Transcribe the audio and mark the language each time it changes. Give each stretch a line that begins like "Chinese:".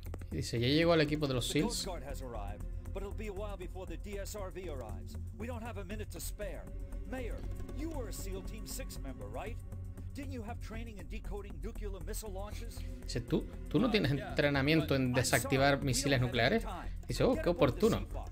Spanish: Y dice, ¿ya llegó el equipo de los SEALs?
English: But it'll be a while before the DSRV arrives. We don't have a minute to spare. Mayor, you were a SEAL Team 6 member, right? Didn't you have training in decoding nuclear missile launches?
Spanish: Dice, ¿tú no tienes entrenamiento en desactivar misiles nucleares? Dice, oh, qué oportuno.